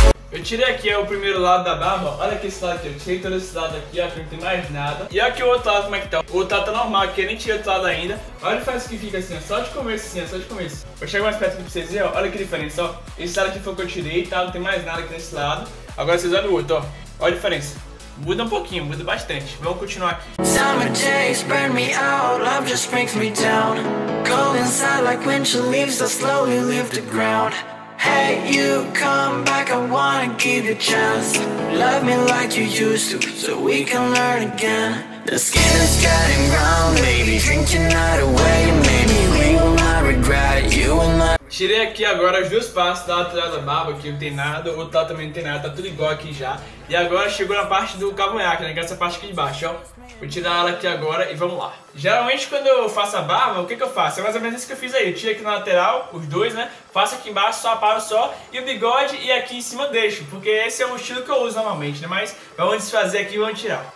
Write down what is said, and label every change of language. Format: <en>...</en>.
<pt>Eu tirei aqui o primeiro lado da barba, olha aqui esse lado aqui, eu tirei todo esse lado aqui, ó, que não tem mais nada. E aqui o outro lado, como é que tá? O outro lado tá normal aqui, eu nem tirei o outro lado ainda. Olha o que fica assim, ó, só de começo assim, ó, só de começo. Vou chegar mais perto aqui pra vocês verem, ó, olha que diferença, ó. Esse lado aqui foi o que eu tirei, tá? Não tem mais nada aqui nesse lado. Agora vocês olham o outro, ó, olha a diferença. Muda um pouquinho, muda bastante. Vamos continuar aqui.</pt> <en>Summer days burn me out, love just brings me down. Cold inside like when she leaves, I slowly leave the ground. Hey, you come back, I wanna give you a chance. Love me like you used to, so we can learn again. The skin is getting brown, baby, drink your night away. Maybe we will not regret it, you will not.</en> <pt>Tirei aqui agora os dois passos da lateral da barba, que não tem nada, o outro lado também não tem nada, tá tudo igual aqui já. E agora chegou na parte do cavanhaque, né, que é essa parte aqui de baixo, ó. Vou tirar ela aqui agora e vamos lá. Geralmente quando eu faço a barba, o que que eu faço? É mais ou menos isso que eu fiz aí, eu tiro aqui na lateral, os dois, né, faço aqui embaixo, só aparo só, e o bigode e aqui em cima eu deixo, porque esse é o estilo que eu uso normalmente, né, mas vamos desfazer aqui e vamos tirar.</pt>